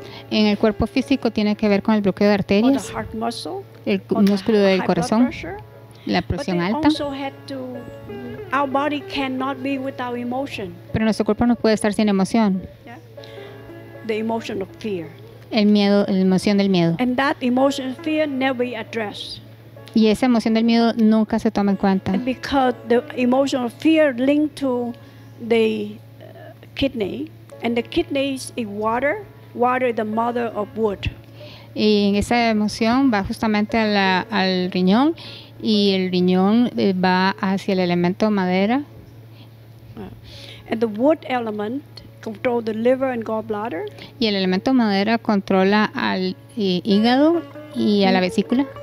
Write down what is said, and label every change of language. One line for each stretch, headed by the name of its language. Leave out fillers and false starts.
Spanish: En el cuerpo físico tiene que ver con el bloqueo de arterias,
English: or the heart muscle,
Spanish: el músculo del corazón, la presión alta.
English: Also had to, our body cannot be without emotion.
Spanish: Pero nuestro cuerpo no puede estar sin emoción.
English: Yeah? The emotion of fear.
Spanish: El miedo, la emoción del miedo.
English: And that emotion, fear, never be addressed.
Spanish: Y esa emoción del miedo nunca se toma en cuenta.
English: Because the emotion of fear linked to the kidney, and the kidney is water. Water is the mother of wood.
Spanish: Y esa emoción va justamente al riñón, y el riñón va hacia el elemento madera.
English: And the wood element controls the liver and gallbladder.
Spanish: Y el elemento madera controla al hígado y a la vesícula.